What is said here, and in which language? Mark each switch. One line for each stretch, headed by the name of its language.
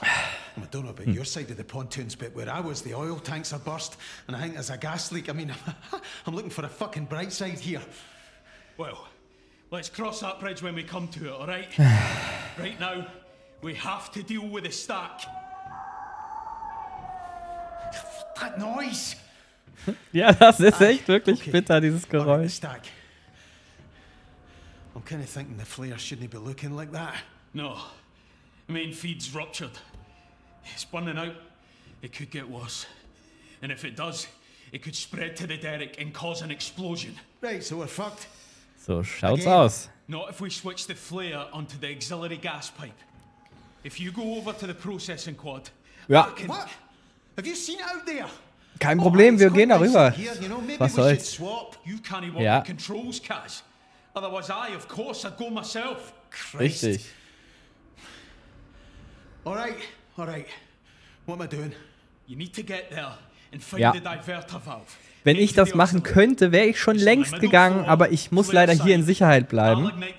English: I don't know about your side of the pontoons, but where I was, the oil tanks are burst, and I think there's a gas leak. I mean, I'm looking for a fucking bright side here. Well, let's cross that bridge when we come to it, all right? Right now, we have to deal with the stack. That noise!
German: Ja, das ist echt wirklich bitter, dieses Geräusch.
English: I'm kind of thinking the flare shouldn't be looking like that. No. Main feed's ruptured. It's burning out. It could get worse. And if it does, it could spread to the derrick and cause an explosion. Right, so we're fucked.
German: So schaut's aus.
English: Not if we switch the flare onto the auxiliary gas pipe. If you go over to the processing quad.
German: Ja.
English: What? Have you seen it out there?
German: Kein Problem, wir gehen darüber. Was soll's?
English: You can't even work the controls, Kaz. Otherwise I, of course, I'd go myself.
German: Christ. Richtig.
English: Alright, alright. What am I doing? You need to get there and find the diverter valve.
German: Wenn ich das machen könnte, wäre ich schon längst gegangen, aber ich muss leider hier in Sicherheit bleiben.